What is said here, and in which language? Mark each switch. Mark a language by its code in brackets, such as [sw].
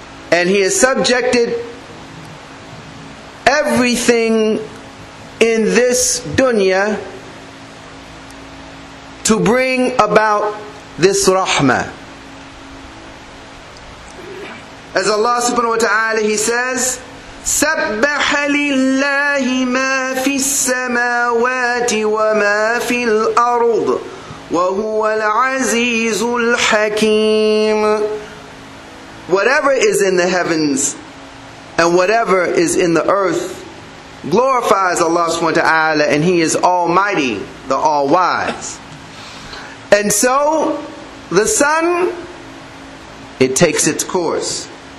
[en] and he has subjected everything in this dunya to bring about this rahmah. As Allah subhanahu wa ta'ala, he says, [ar] سَبَّحَ لِلَّهِ مَا فِي السَّمَاوَاتِ وَمَا فِي الْأَرْضِ وَهُوَ الْعَزِيزُ الْحَكِيمُ. [en] Whatever is in the heavens and whatever is in the earth glorifies Allah subhanahu wa ta'ala, and He is Almighty, the All-Wise. And so, the sun, it takes its course.